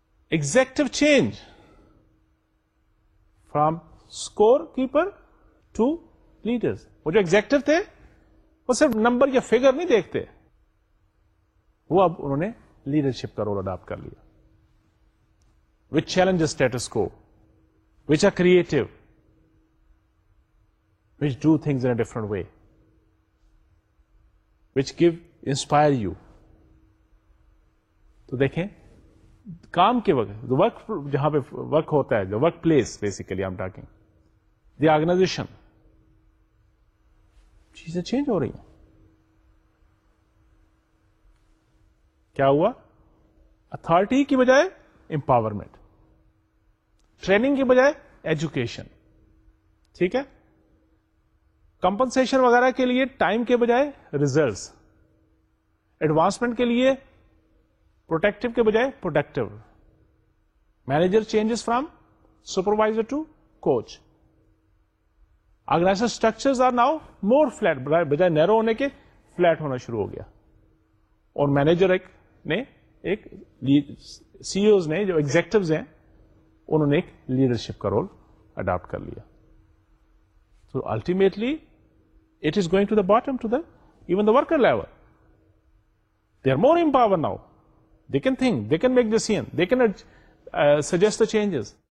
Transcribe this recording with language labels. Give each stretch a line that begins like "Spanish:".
English: Executive change from score keeper to leaders.
Urdu: وہ جو executive تھے وہ صرف نمبر یا فگر نہیں دیکھتے, وہ اب انہوں نے لیڈرشپ کا رول اڈاپٹ کر لیا.
English: Which challenge status quo, which are creative, which do things in a different way, which give inspire you.
Urdu: تو دیکھیں کام کے وقت, ورک جہاں پہ ورک ہوتا ہے, work place
English: basically I'm talking,
Urdu: the organization, چیزیں چینج ہو رہی ہیں. کیا ہوا, اتھارٹی کی بجائے امپاورمنٹ, ٹریننگ کی بجائے ایجوکیشن. ٹھیک ہے, کمپنسیشن وغیرہ کے لیے ٹائم کے بجائے ریزلٹس, ایڈوانسمنٹ کے لیے پروٹیکٹیو کے بجائے productive.
English: Manager changes from supervisor to coach. Organisation structures are now more flat,
Urdu: بجائے نیرو ہونے کے فلیٹ ہونا شروع ہو گیا. اور مینیجر ایک نے, ایک سی ایوز نے, جو ایگزیکٹوز ہیں انہوں نے ایک لیڈرشپ کا رول اڈاپٹ کر لیا.
English: تو ultimately it is going to the bottom, to the even the worker level. They are more empower now, they can think, they can make decision, they can suggest the changes.